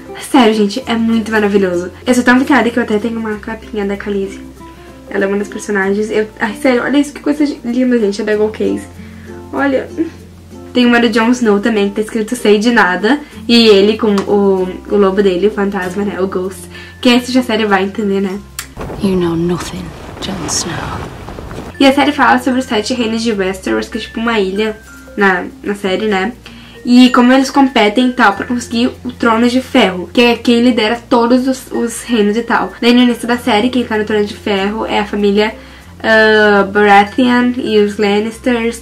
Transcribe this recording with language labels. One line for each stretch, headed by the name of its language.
Portuguese: Sério, gente, é muito maravilhoso. Eu sou tão viciada que eu até tenho uma capinha da Khaleesi. Ela é uma das personagens. Ai, sério, olha isso, que coisa linda, gente, a Bagel Case. Olha. Tem uma do Jon Snow também, que tá escrito Sei de Nada. E ele com o lobo dele, o fantasma, né, o Ghost. Quem assiste a série vai entender, né?
English: You know nothing, Jon Snow.
Portuguese: E a série fala sobre os Sete Reinos de Westeros, que é tipo uma ilha na série, né? E como eles competem e tal pra conseguir o Trono de Ferro, que é quem lidera todos os reinos e tal. Daí no início da série, quem tá no Trono de Ferro é a família Baratheon e os Lannisters.